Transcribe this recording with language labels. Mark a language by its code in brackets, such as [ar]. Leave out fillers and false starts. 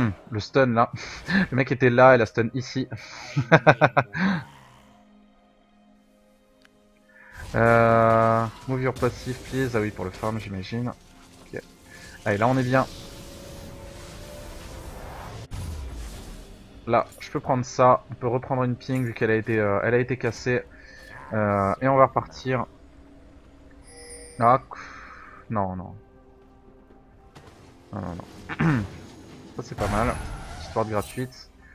[fr] Le stun là, le mec était là et la stun ici. [en] Move your passive please. [fr] Ah oui, pour le farm, j'imagine. Okay. Allez, là on est bien. Là, je peux prendre ça. On peut reprendre une ping vu qu'elle a été cassée. Et on va repartir. Ah, non, non. Non, non, non. Ça c'est pas mal. Sword gratuite.